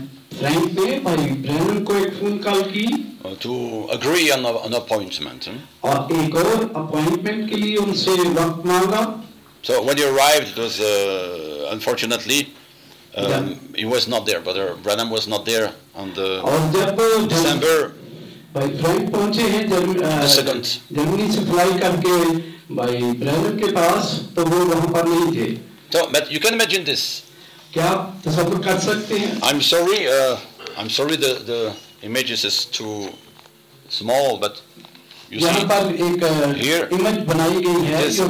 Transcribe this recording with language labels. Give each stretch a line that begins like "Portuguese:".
Urdu: Frank ne Brother Branham ko ek phone call ki.
English: To agree on an appointment.
Urdu: Aur ek aur appointment ke liye unse waqt manga.
English: So when he arrived, it was unfortunately he was not there. Brother Branham was not there on the December.
Urdu: بھائی flight پہنچے ہیں جرمنی سے fly کر کے بھائی برینم کے پاس تو وہ وہاں پر نہیں تھے
English: تو you can imagine this
Urdu: کیا آپ تصور کر سکتے ہیں
English: I'm sorry the images is too small but you see
Urdu: یہاں پر ایک امیج بنائی گئی ہے جو